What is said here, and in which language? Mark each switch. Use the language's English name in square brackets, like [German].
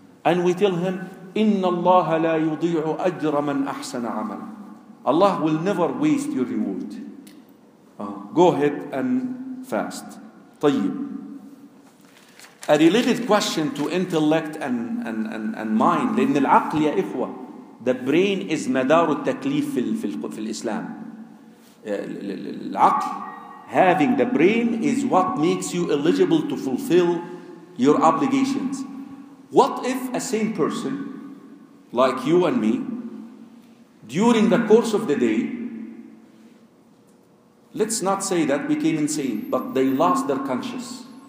[English] And we tell him, [Arabic] إِنَّ اللَّهَ لَا يُضِيعُ أَجْرَ مَنْ أَحْسَنَ عَمَلًا [English] Allah will never waste your reward. Go ahead and fast. طيب. A related question to intellect and mind. [Arabic] لأن العقل يا إخوة, [English] the brain is [Arabic] مدار التكليف في الإسلام. [English] العقل, having the brain is what makes you eligible to fulfill your obligations. What if a sane person, like you and me, during the course of the day, let's not say that became insane, but they lost their conscience.